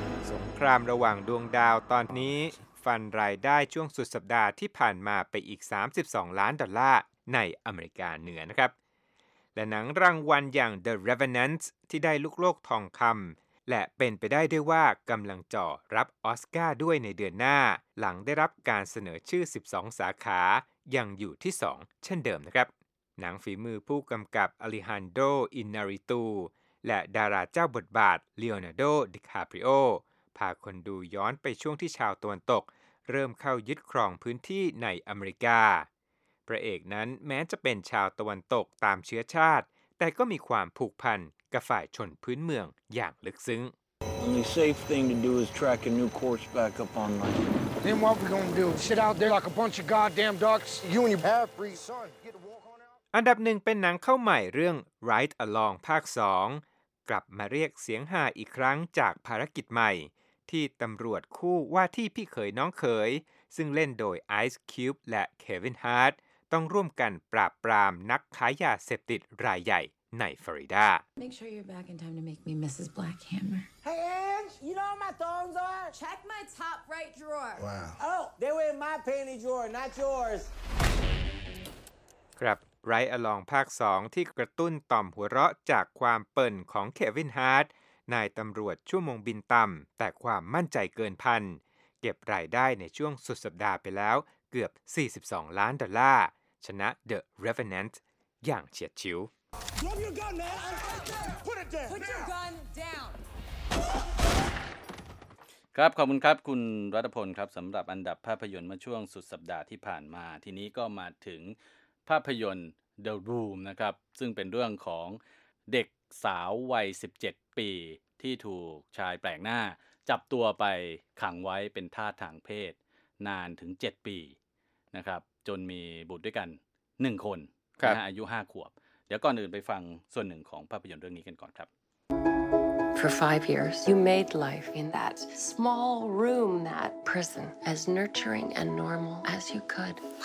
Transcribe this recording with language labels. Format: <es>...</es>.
<th>สงครามระหว่างดวงดาวตอนนี้ฟันรายได้ช่วงสุดสัปดาห์ที่ผ่านมาไปอีก32ล้านดอลลาร์ในอเมริกาเหนือนะครับและหนังรางวัลอย่าง The Revenant ที่ได้ลูกโลกทองคำและเป็นไปได้ด้วยว่ากำลังจ่อรับออสการ์ด้วยในเดือนหน้าหลังได้รับการเสนอชื่อ12สาขายังอยู่ที่2เช่นเดิมนะครับหนังฝีมือผู้กำกับอลิฮันโดอินาริตูและดาราเจ้าบทบาทลีโอนาร์โดดิคาปริโอ พาคนดูย้อนไปช่วงที่ชาวตะวันตกเริ่มเข้ายึดครองพื้นที่ในอเมริกาพระเอกนั้นแม้จะเป็นชาวตะวันตกตามเชื้อชาติแต่ก็มีความผูกพันกับฝ่ายชนพื้นเมืองอย่างลึกซึ้ง</th> <en>The safe thing to do is track a new course back up on land. Then what we going to do? Sit out there like a bunch of goddamn ducks? You and your half-breed son get to walk.</en> <th>อันดับหนึ่งเป็นหนังเข้าใหม่เรื่อง Ride Along ภาค2กลับมาเรียกเสียงฮาอีกครั้งจากภารกิจใหม่ที่ตำรวจคู่ว่าที่พี่เขยน้องเขยซึ่งเล่นโดย Ice Cube และ Kevin Hart ต้องร่วมกันปราบปรามนักขายยาเสพติดรายใหญ่ในฟลอริดา</th> <en>Make sure you're back in time to make me Mrs. Blackhammer Hey Ange, you know where my thongs are? Check my top right drawer Wow Oh, they were in my panty drawer, not yours</en> <th>ครับRide Along ภาค2ที่กระตุ้นต่อมหัวเราะจากความเปิ่นของเควินฮาร์ดนายตำรวจชั่วโมงบินต่ำแต่ความมั่นใจเกินพันเก็บรายได้ในช่วงสุดสัปดาห์ไปแล้วเกือบ42ล้านดอลลาร์ชนะ The Revenant อย่างเฉียดฉิว ครับขอบคุณครับคุณรัตพลครับสำหรับอันดับภาพยนตร์เมื่อช่วงสุดสัปดาห์ที่ผ่านมาทีนี้ก็มาถึงภาพยนตร์ The Room นะครับซึ่งเป็นเรื่องของเด็กสาววัย17ปีที่ถูกชายแปลกหน้าจับตัวไปขังไว้เป็นทาสทางเพศนานถึง7ปีนะครับจนมีบุตรด้วยกัน1คนนะอายุ5ขวบเดี๋ยวก่อนอื่นไปฟังส่วนหนึ่งของภาพยนตร์เรื่องนี้กันก่อนครับ</th> <en>For 5 years you made life in that small room that prison as nurturing and normal as you could</en>